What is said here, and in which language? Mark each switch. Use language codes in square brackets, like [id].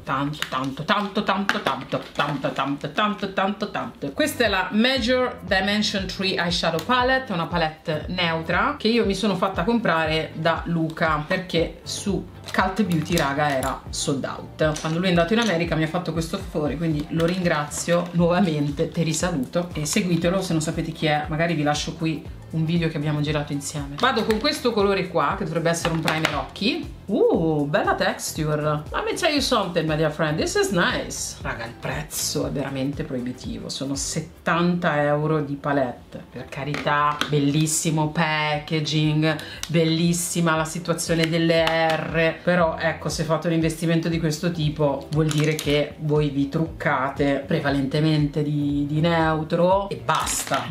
[it] Questa è la Major Dimension 3 Eyeshadow Palette, una palette neutra che io mi sono fatta comprare da Luca perché su Cult Beauty, raga, era sold out. Quando lui è andato in America mi ha fatto questo favore, quindi lo ringrazio nuovamente, ti risaluto e seguitelo se non sapete chi è, magari vi lascio qui un video che abbiamo girato insieme. Vado con questo colore qua, che dovrebbe essere un primer occhi. Bella texture. [en] Let me tell you something, my dear friend, this is nice. [it] Raga, il prezzo è veramente proibitivo. Sono 70 euro di palette. Per carità, bellissimo packaging, bellissima la situazione delle R. Però, ecco, se fate un investimento di questo tipo, vuol dire che voi vi truccate prevalentemente di neutro e basta.